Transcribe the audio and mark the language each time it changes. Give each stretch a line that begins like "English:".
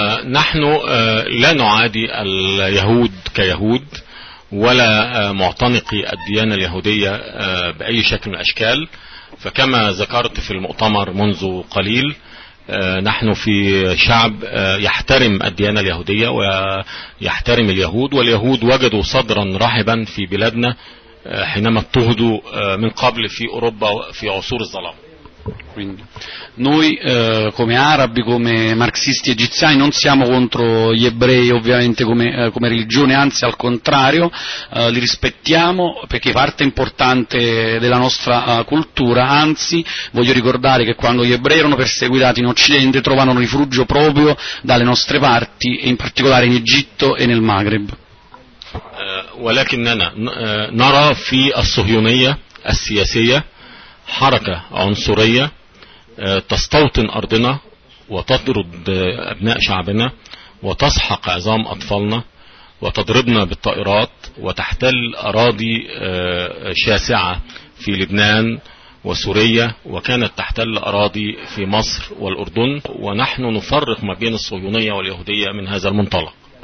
Arabic: نحن لا نعادي اليهود كيهود ولا معتنقي الديانة اليهودية بأي شكل من الأشكال، فكما ذكرت في المؤتمر منذ قليل نحن في شعب يحترم الديانة اليهودية ويحترم اليهود، واليهود وجدوا صدرا رحبا في بلادنا حينما اضطهدوا من قبل في أوروبا في عصور الظلام.
Italian: Quindi noi come arabi, come marxisti egiziani, non siamo contro gli ebrei ovviamente come religione, anzi al contrario, li rispettiamo perché parte importante della nostra cultura, anzi voglio ricordare che quando gli ebrei erano perseguitati in Occidente trovano rifugio proprio dalle nostre parti, in particolare in Egitto e nel Maghreb.
Arabic: ولكننا نرى في الصهيونية السياسية حركة عنصرية تستوطن أرضنا وتطرد أبناء شعبنا وتسحق عظام أطفالنا وتضربنا بالطائرات وتحتل أراضي شاسعة في لبنان وسوريا، وكانت تحتل أراضي في مصر والأردن، ونحن نفرق ما بين الصهيونية واليهودية من هذا المنطلق.